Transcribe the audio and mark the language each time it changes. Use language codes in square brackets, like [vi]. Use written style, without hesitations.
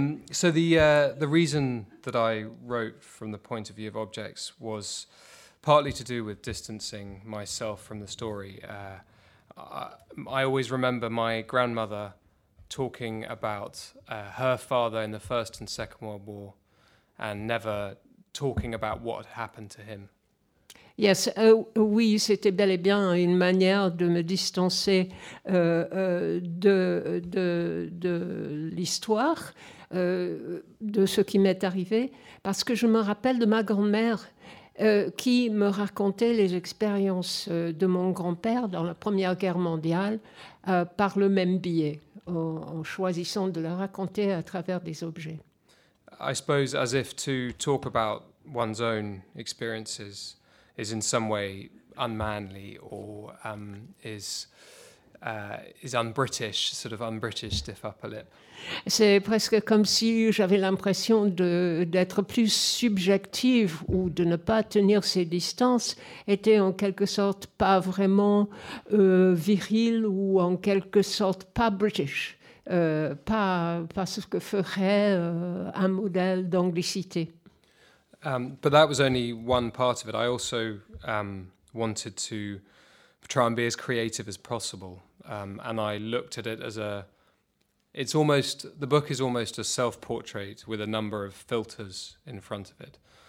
[en] So the reason that I wrote from the point of view of objects was partly to do with distancing myself from the story. I always remember my grandmother talking about her father in the First and Second World War and never talking about what had happened to him. [fr] Yes, oui, c'était bel et bien une manière de me distancer de l'histoire, de ce qui m'est arrivé, parce que je me rappelle de ma grand-mère qui me racontait les expériences de mon grand-père dans la Première Guerre mondiale par le même biais, en choisissant de le raconter à travers des objets. [en] I suppose as if to talk about one's own experiences is in some way unmanly or is un-British, sort of un-British stiff upper lip. [fr] C'est presque comme si j'avais l'impression d'être plus subjective ou de ne pas tenir ses distances était en quelque sorte pas vraiment viril ou en quelque sorte pas British, pas ce que ferait un modèle d'anglicité. [en] But that was only one part of it. I also wanted to try and be as creative as possible. And I looked at it as the book is almost a self-portrait with a number of filters in front of it.